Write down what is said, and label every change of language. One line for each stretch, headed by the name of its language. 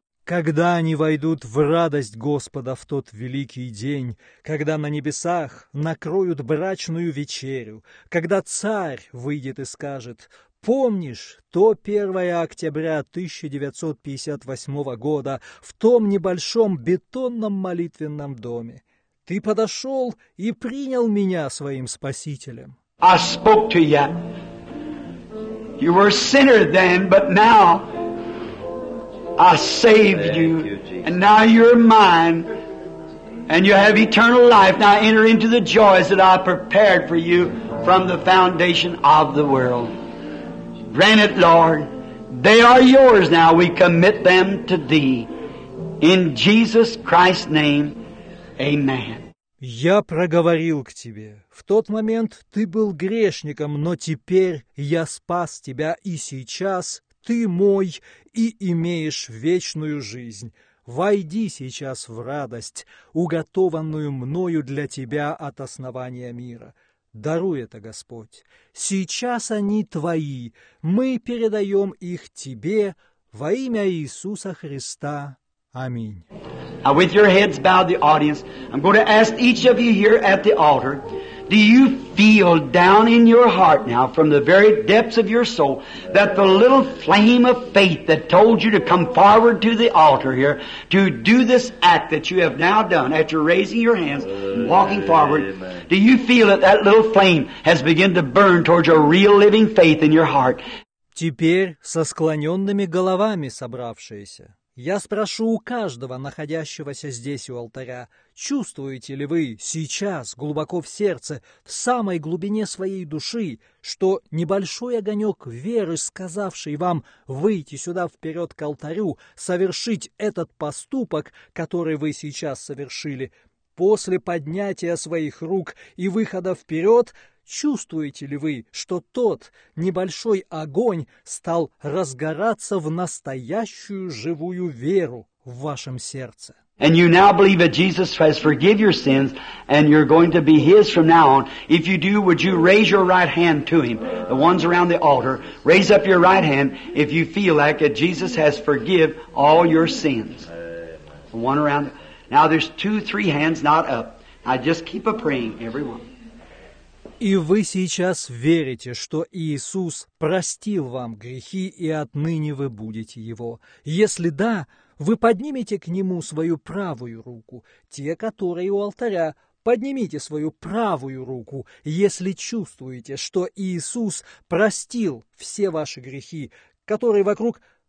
Russian: Когда они войдут в радость Господа в тот великий день, когда на небесах накроют брачную вечерю, когда царь выйдет и скажет: «Помнишь то 1 октября 1958 года в том небольшом бетонном молитвенном доме? Ты подошел и принял меня своим спасителем».
English: I spoke to you. You were a sinner then, but now I saved you, and now you're mine, and you have eternal life. Now enter into the joys that I prepared for you from the foundation of the world. Grant it, Lord. They are yours now. We commit them to Thee. In Jesus Christ's name, amen.
Russian: Я проговорил к Тебе. В тот момент Ты был грешником, но теперь я спас Тебя, и сейчас Ты мой и имеешь вечную жизнь. Войди сейчас в радость, уготованную мною для тебя от основания мира. Даруй это, Господь. Сейчас они твои. Мы передаем их тебе во имя Иисуса Христа. Аминь.
English: Now, with your heads bowed, the audience, I'm going to ask each of you here at the altar Do you feel down in your heart now, from the very depths of your soul, that the little flame of faith that told you to come forward to the altar here to do this act that you have now done after raising your hands and walking forward, do you feel that that little flame has begun to burn towards a real living faith in your heart?
Russian: Теперь со склоненными головами собравшиеся. Я спрошу у каждого, находящегося здесь у алтаря, чувствуете ли вы сейчас, глубоко в сердце, в самой глубине своей души, что небольшой огонек веры, сказавший вам выйти сюда вперед к алтарю, совершить этот поступок, который вы сейчас совершили, после поднятия своих рук и выхода вперед, чувствуете ли вы, что тот небольшой огонь стал разгораться в настоящую живую веру в вашем сердце?
English: And you now believe that Jesus has forgiven your sins and you're going to be His from now on. If you do, would you raise your right hand to Him? The ones around the altar, raise up your right hand if you feel like that Jesus has forgiven all your sins. The one around. Now there's two, three hands not up. I just keep a praying, everyone.
Russian: И вы сейчас верите, что Иисус простил вам грехи, и отныне вы будете Его. Если да, вы поднимете к Нему свою правую руку. Те, которые у алтаря, поднимите свою правую руку, если чувствуете, что Иисус простил все ваши грехи, которые вокруг...